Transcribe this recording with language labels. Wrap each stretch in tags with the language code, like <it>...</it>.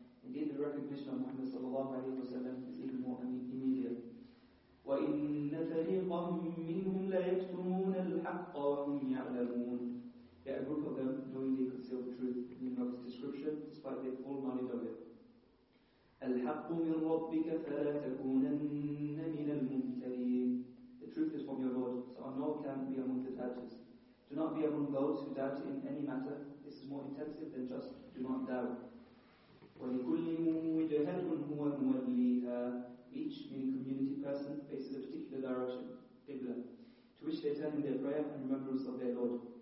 <en>Indeed, the recognition of Muhammad sallallahu alayhi wa sallam is even more immediate.</en> <ar>وَإِنَّ فَرِيقًا مِّنْهُمْ لَيَكْتُمُونَ الْحَقَّ وَهُمْ يَعْلَمُونَ.</ar> <en>Yet a group of them knowingly conceal the truth, meaning of his description, despite their full knowledge of it.</en> <ar>الحق من ربك فلا تكونن من الممتلين.</ar> <en>The truth is from your Lord, so on no account be among the doubters. Do not be among those who doubt in any matter. This is more intensive than just do not doubt.</en> <ar>ولكل وجهة هو موليها.</ar> <en>Each, meaning community person, faces a particular direction, qibla, to which they turn in their prayer and remembrance of their Lord.</en>